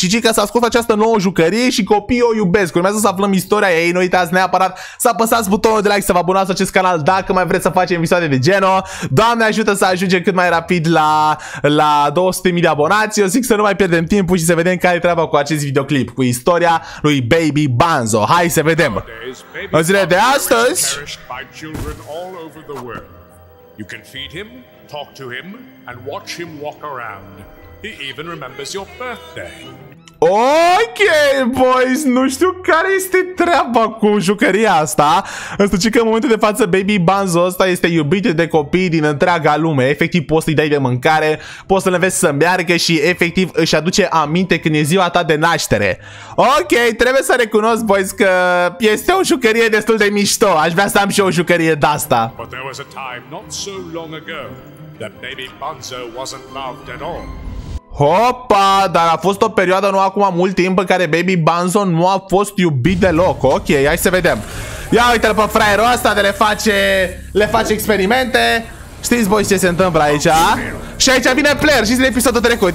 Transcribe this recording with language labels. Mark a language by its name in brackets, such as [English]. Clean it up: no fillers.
[Romanian] Și cei că s-a scos această nouă jucărie și copiii o iubesc. Urmează să aflăm istoria ei. Nu uitați neapărat să apăsați butonul de like, să vă abonați acest canal dacă mai vreți să facem episoade de genul. Doamne ajută să ajungem cât mai rapid la 200.000 de abonați. Eu zic să nu mai pierdem timpul și să vedem care e treaba cu acest videoclip, cu istoria lui Baby Banzo. Hai să vedem. În zile de astăzi, [English] you can feed him, talk to him and watch him walk around. He even remembers your birthday. [Romanian] Ok, boys, nu știu care este treaba cu jucăria asta. Însă ce că în momentul de față Baby Banzo ăsta este iubit de copii din întreaga lume. Efectiv poți să-i dai de mâncare, poți să-l înveți să meargă și efectiv își aduce aminte când e ziua ta de naștere. Ok, trebuie să recunosc, boys, că este o jucărie destul de mișto. Aș vrea să am și eu o jucărie de-asta. [English] But there was a time not so long ago that Baby Banzo wasn't loved at all. [Romanian] Hopa, dar a fost o perioadă, nu acum mult timp, în care Baby Banzo nu a fost iubit deloc. Ok, hai să vedem. Ia uite-l pe fraierul ăsta de le face experimente. Știți, boys, ce se întâmplă aici? Și aici vine Player, știți, în episodul trecut.